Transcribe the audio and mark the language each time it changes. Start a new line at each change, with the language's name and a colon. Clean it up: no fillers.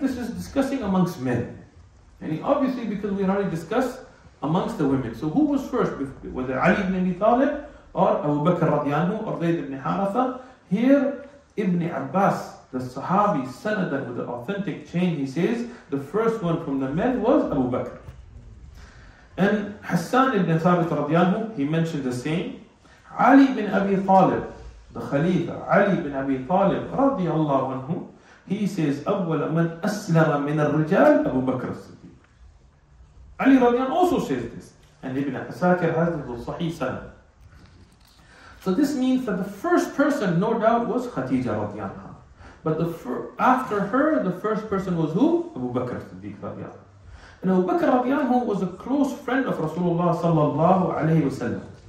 English: This is discussing amongst men. And obviously, because we already discussed amongst the women. So who was first? Was it Ali ibn Abi Talib or Abu Bakr radiyallahu anhu or Zayd ibn Haritha? Here, Ibn Abbas, the Sahabi, sanadan with the authentic chain, he says, the first one from the men was Abu Bakr. And Hassan ibn Thabit radiyallahu anhu, he mentioned the same. Ali ibn Abi Talib, the Khalifa, Ali ibn Abi Talib radiyallahu anhu, he says,
Arabic: أول من أسلم من الرجال أبو بكر الصديق.
English: Ali radiyallahu anhu also says this, and Ibn Asakir has this in Sahih Sunan. So this means that the first person, no doubt, was Khadija radiyallahu anha. But after her, the first person was who? Abu Bakr as-Siddiq radiyallahu anhu. And Abu Bakr radiallahu was a close friend of Rasulullah sallallahu alayhi wa sallam.